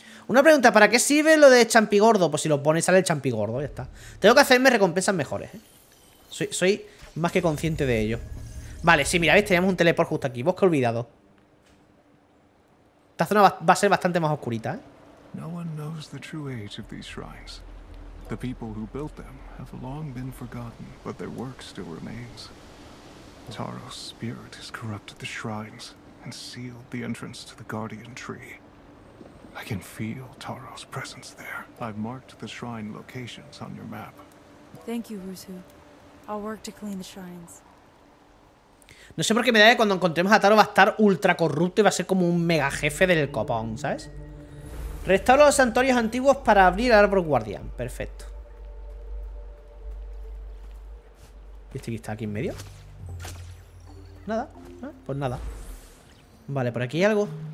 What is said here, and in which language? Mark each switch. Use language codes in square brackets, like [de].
[es] Una pregunta, ¿para qué sirve lo de champigordo? Pues si lo pones sale el champigordo, ya está. Tengo que hacerme recompensas mejores, ¿eh? Soy más que consciente de ello. Vale, sí, mira, ¿ves? Teníamos un teleport justo aquí. Bosque olvidado. Esta zona va a ser bastante más oscurita, ¿eh? [en] No one knows the true age of these shrines. The people who built them have long been forgotten, but their work still remains. Taro's spirit has corrupted the shrines and sealed the entrance to the guardian tree. I can feel Taro's presence there. I've marked the shrine locations on your map. Thank you, Ruzu. I'll work to clean the shrines. [es] No sé por qué me da que cuando encontremos a Taro va a estar ultra corrupto y va a ser como un mega jefe del copón, ¿sabes? Restauro los santuarios antiguos para abrir el árbol guardián. Perfecto. ¿Y este que está aquí en medio? Nada, ¿no? Pues nada. Vale, por aquí hay algo.